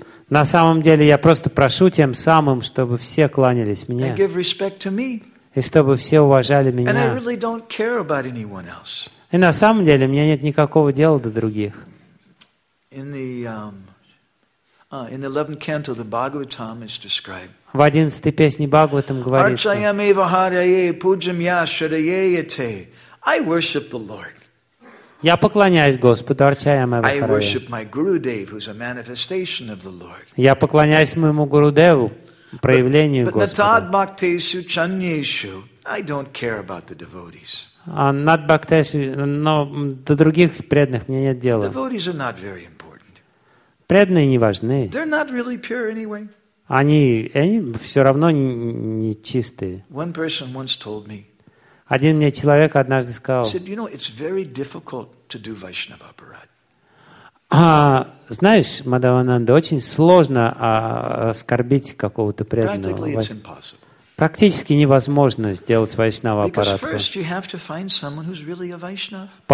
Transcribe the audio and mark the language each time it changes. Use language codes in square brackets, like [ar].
[ru] На самом деле я просто прошу тем самым, чтобы все кланялись мне. [en] And give respect to me. [ru] И чтобы все уважали меня. [en] And I really don't care about anyone else. [ru] И на самом деле мне нет никакого дела до других. [en] In the 11th canto of the Bhagavatam is described. [ru] В 11-й песне Бхагаватам говорится. [sa] Арчаям эва харайе пуджам я шарайе ете. [en] I worship the Lord. [ru] Я поклоняюсь Господу [sa] Арчаям эва харайе. [en] I worship my Guru Dev, who's a manifestation of the Lord. [ru] Я поклоняюсь моему Гурудеву, проявлению Господа. [en] But [sa] над бхактесу чаньешу, [en] I don't care about the devotees. [sa] Над бхактесу, [ru] но до других преданных мне нет дела. [en] Devotees are not very important. [ru] Преданные не важны. [en] They're not really pure anyway. [ru] Они все равно не чистые. [en] One person once told me. [ru] Один мне человек однажды сказал. [en] Said, you know, it's very difficult to do Vaishnava aparad. [ru] Знаешь, Мадхавананда, очень сложно оскорбить какого-то преданного. [en] Practically it's impossible. [ru] Практически невозможно сделать Вайшнава аппарат. [en] Because first you have to find someone who's really a Vaishnava.